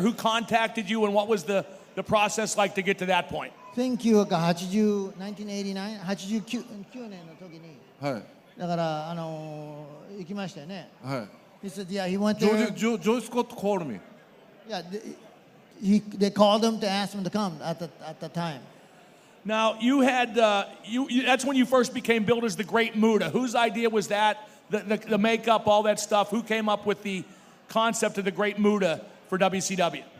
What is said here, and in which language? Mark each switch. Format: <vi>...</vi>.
<en>Who contacted you? And what was the process like to get to that point? Thank you.</en> <ja>1989年の時に。はい。だから、行きましたよね。はい。</ja> <en>He said, yeah, he went there. Joe Scott called me. Yeah, they called him to ask him to come at the time. Now, you had, that's when you first became billed as the Great Muta. Whose idea was that? The makeup, all that stuff? Who came up with the concept of the Great Muta for WCW?</en>